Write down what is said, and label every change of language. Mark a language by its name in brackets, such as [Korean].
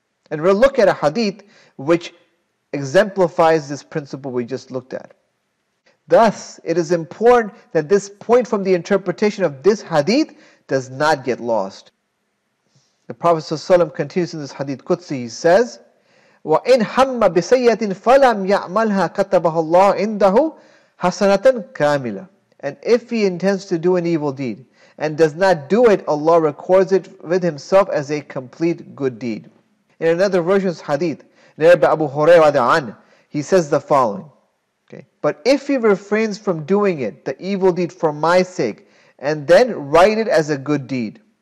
[English] And we'll look at a hadith which exemplifies this principle we just looked at. Thus, it is important that this point from the interpretation of this hadith does not get lost. The Prophet ﷺ continues in this hadith Qudsi, he says, [Arabic] وَإِنْ حَمَّ بِسَيَّةٍ فَلَمْ يَعْمَلْهَا كَتَّبَهَا اللَّهُ عِنْدَهُ حَسَنَةً كَامِلًا. [English] And if he intends to do an evil deed and does not do it, Allah records it with himself as a complete good deed. In another version of hadith, narrated by Abu Hurairah, he says the following, okay, but if he refrains from doing it, the evil deed for my sake, and then write it as a good deed.